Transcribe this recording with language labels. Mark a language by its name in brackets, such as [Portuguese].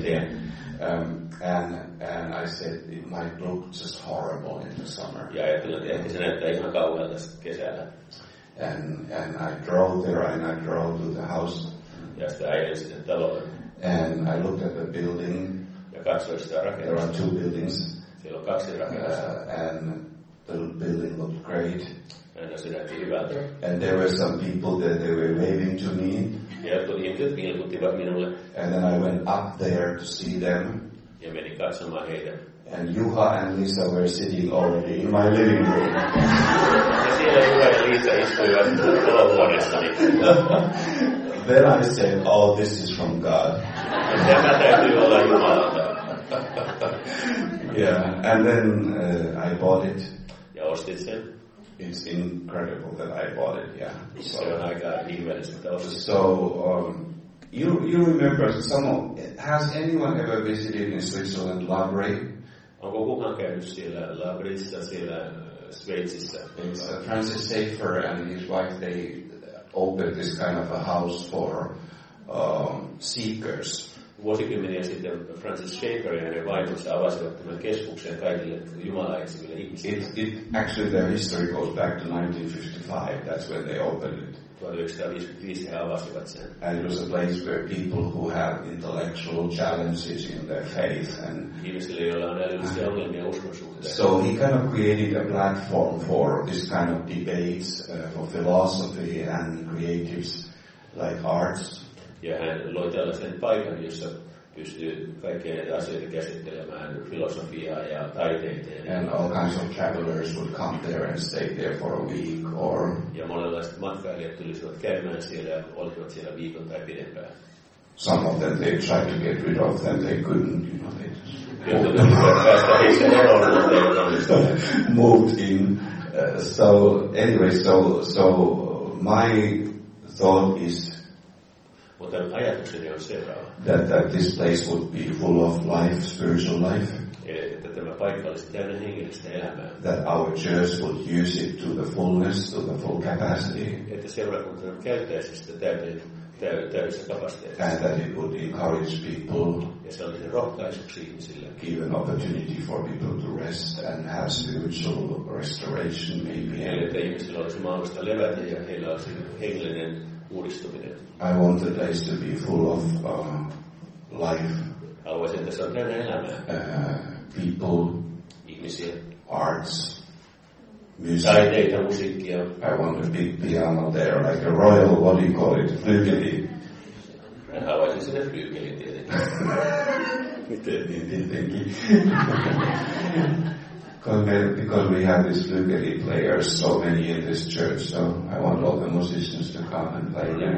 [English] And I said it might look just horrible in the summer. Yeah, I feel that. And I drove there and I drove to the house. Yes, I was in the talo. And I looked at the building. [Finnish] Ja katsoin sitä rakennusta. [English] There are two buildings. [Finnish] Siellä on kaksi rakennusta. [English] And the building looked great. And I said, "That's hyvältä." And there were some people that they were waving to me. [Finnish] Ja tuli ihmiset vilkuttivat minulle. [English] And then I went up there to see them. [Finnish] Ja menin katsomaan heitä. [English] And Juha and Lisa were sitting already in my living room. [Finnish] Ja siellä Juha ja Lisa istuivat olohuoneessani. [English] Then I said, oh, this is from God. [Finnish] Tämä täytyy olla Jumalalta. [English] Yeah, and then I bought it. [Finnish] Ja ostit sen. [English] It's incredible that I bought it, yeah. [Finnish] So on aika ihmeellistä, että ostit [English] sen. So, You remember someone? Has anyone ever visited in Switzerland, Labri? [Finnish] Onko kukaan käynyt siellä Labrissa, siellä Sveitsissä? [English] Francis Schaeffer and his wife, they opened this kind of a house for seekers. [Finnish] vuosikymmeniä sitten Francis Schaeffer ja hänen vaimonsa avasivat tämän keskuksen kaikille jumalaisille ihmisille. [English] It actually their history goes back to 1955. That's when they opened it. [Finnish] 1955 he avasivat sen. [English] And it was a place where people who have intellectual challenges in their faith and [Finnish] ihmisille, joilla on älyllisiä ongelmia uskonsuhteessa. [English] So he kind of created a platform for this kind of debates for philosophy and creatives like arts. [Finnish] Ja hän loi tällaisen paikan, jossa pystyy kaikkia näitä asioita käsittelemään, filosofiaa ja taiteita. [English] And all kinds of travelers would come there and stay there for a week or... [Finnish] Ja monenlaiset matkailijat tulisivat käymään siellä ja olisivat siellä viikon tai pidempään. [English] Some of them they tried to get rid of them, they couldn't, you know, they just moved in. So my thought is [Finnish] mutta ajatukseni on seuraava. [English] That this place would be full of life, spiritual life. [Finnish] Että tämä paikka olisi täynnä hengellistä elämää. [English] That our church would use it to the fullness, to the full capacity. [Finnish] Että seurakunta käyttäisi sitä täydessä kapasiteetissa. [English] And that it would encourage people. [Finnish] Ja se olisi rohkaisuksi ihmisille. [English] Give an opportunity for people to rest and have spiritual restoration maybe. [Finnish] Eli että ihmisillä olisi mahdollista levätä ja heillä olisi hengellinen uudistuminen. [English] I want the place to be full of life. [Finnish] Haluaisin, että se on täynnä elämää. [English] People. [Finnish] Ihmisiä. [English] Arts. Music. [Finnish] Taiteita, musiikkia. [English] I want a big piano there, like a royal, what do you call it, flygeli. [Finnish] Haluaisin sinne flygeli tietenkin. Tietenkin. [English] Because we have these flugelhorn players so many in this church, so I want all the musicians to come and play.